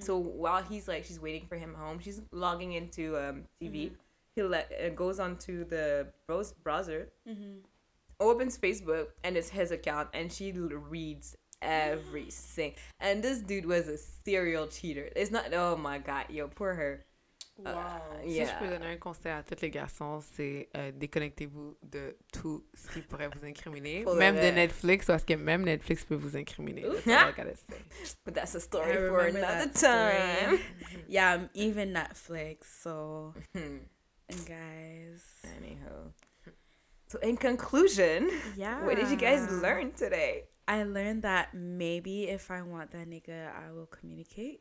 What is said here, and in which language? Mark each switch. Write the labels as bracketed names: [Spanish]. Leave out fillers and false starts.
[English] So while he's, like, she's waiting for him home, she's logging into TV. Mm-hmm. He goes onto the browser, opens Facebook, and it's his account, and she reads everything. And this dude was a serial cheater. It's not, oh my God, yo, poor her. Wow. [French] Si je peux donner un conseil à toutes les garçons, c'est déconnectez-vous de tout ce qui pourrait vous incriminer. Même de Netflix, parce que même Netflix peut vous incriminer. [English] That's But that's a story I for another time. Yeah, I'm even Netflix, so... And guys... Anyhow. So in conclusion, what did you guys learn today? I learned that maybe if I want that nigga, I will communicate.